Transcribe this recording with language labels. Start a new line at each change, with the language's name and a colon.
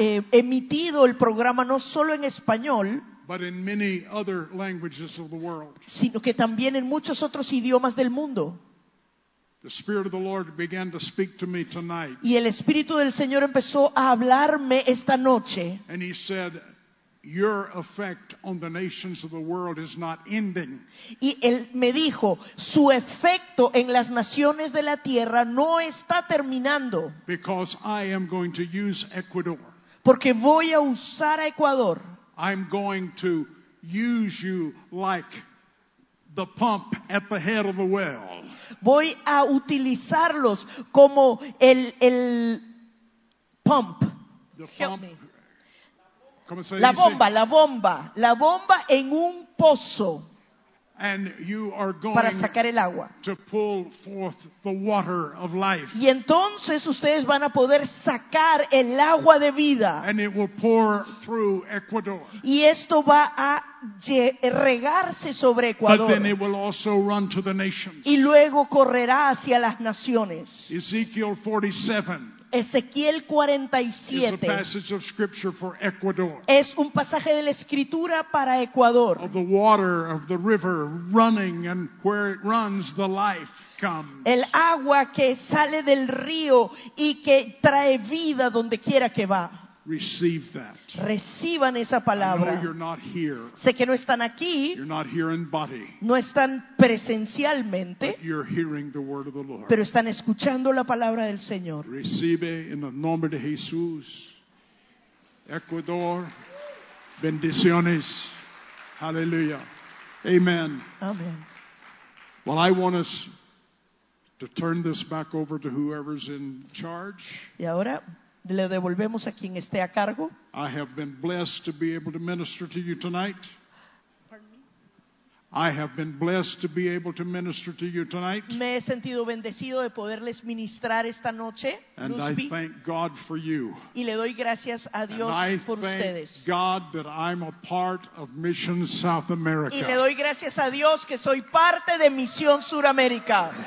Spanish: emitido el programa no solo en español,
English: but in many other languages of the world,
Spanish: sino que también en muchos otros idiomas del mundo.
English: The Spirit of the Lord began to speak to me tonight.
Spanish: Y el Espíritu del Señor empezó a hablarme esta noche.
English: And he said, your effect on the nations of the world is not ending.
Spanish: Y él me dijo, su efecto en las naciones de la tierra no está terminando.
English: Because I am going to use Ecuador.
Spanish: Porque voy a usar a Ecuador.
English: I'm going to use you like the pump at the head of a well.
Spanish: Voy a utilizarlos como el pump.
English: The pump.
Spanish: La bomba en un pozo.
English: And you are going
Spanish: para sacar el agua.
English: To pull forth the water of life.
Spanish: Y entonces ustedes van a poder sacar el agua de vida.
English: And it will pour through Ecuador.
Spanish: Y esto va a regarse sobre Ecuador.
English: But then it will also run to the nations.
Spanish: Y luego correrá hacia las naciones.
English: Ezekiel 47.
Spanish: Ezequiel 47
English: is a passage of scripture for Ecuador.
Spanish: Es un pasaje de la escritura para Ecuador.
English: Of the water of the river running, and where it runs, the life comes.
Spanish: El agua que sale del río y que trae vida donde quiera que va.
English: Receive that.
Spanish: Reciban esa palabra.
English: I know you're not here.
Spanish: Sé que no están aquí.
English: You're not here in body.
Spanish: No están presencialmente.
English: But you're hearing the word of the Lord.
Spanish: Pero están escuchando la palabra del Señor. Recibe en el nombre de Jesús. Ecuador. Bendiciones. Hallelujah. Amen. Amen.
English: Well, I want us to turn this back over to whoever's in charge.
Spanish: Y ahora le devolvemos a quien esté a cargo.
English: I have been blessed to be able to minister to you tonight. Pardon me? I have been blessed to be able to minister to you tonight.
Spanish: Me he sentido bendecido de poderles ministrar esta noche.
English: And I thank God for you.
Spanish: Y le doy gracias a Dios por ustedes.
English: And I thank God that I'm a part of Mission South America.
Spanish: Y le doy gracias a Dios que soy parte de Misión Suramérica.